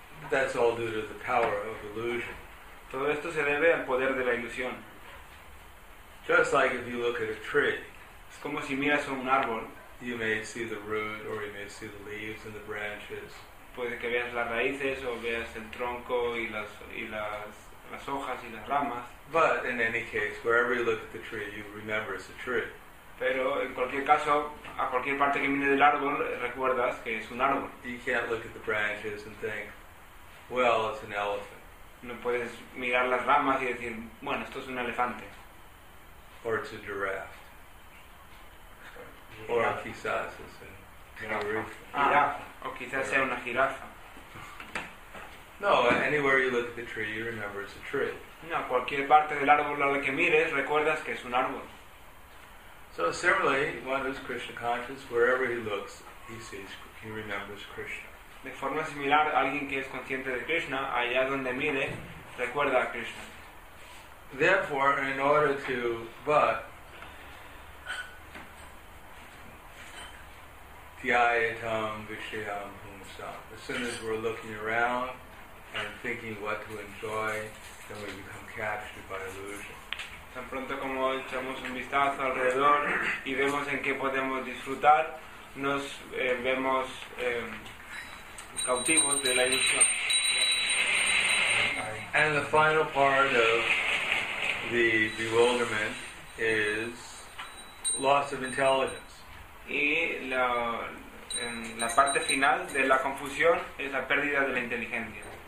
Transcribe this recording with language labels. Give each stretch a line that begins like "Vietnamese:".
English: That's all due to the power of illusion.
Spanish: Todo esto se debe al poder de la ilusión.
English: Just like if you look at a tree,
Spanish: es como si miras a un árbol.
English: You may see the root, or you may see the leaves and the branches.
Spanish: Puede que veas las raíces o veas el tronco y las hojas y las ramas.
English: But in any case, wherever you look at the tree, you remember it's a tree.
Spanish: Pero en cualquier caso, a cualquier parte que mires del árbol, recuerdas que es un árbol.
English: You can't look at the branches and think, well, it's an elephant.
Spanish: No puedes mirar las ramas y decir, bueno, esto es un elefante.
English: Or it's a giraffe. Or yeah. Quizás it's a
Spanish: giraffe. Ah, o quizás sea una jirafa.
English: No, anywhere you look at the tree, you remember it's a tree.
Spanish: No, cualquier parte del árbol a la que mires, recuerdas que es un árbol.
English: So similarly, one who is Krishna conscious, wherever he looks, he sees, he remembers Krishna.
Spanish: De forma similar, alguien que es consciente de Krishna, allá donde mire, recuerda a Krishna.
English: Therefore, in order to, but,
Sanskrit: dhyayatam vishayam humasam.
English: As soon as we're looking around and thinking what to enjoy, then we become captured by illusion.
Spanish: Tan pronto como echamos un vistazo alrededor y vemos en qué podemos disfrutar, nos vemos cautivos de la ilusión.
English: And the final part of the bewilderment is loss of intelligence.
Spanish: Y la parte final de la confusión es la pérdida de la inteligencia.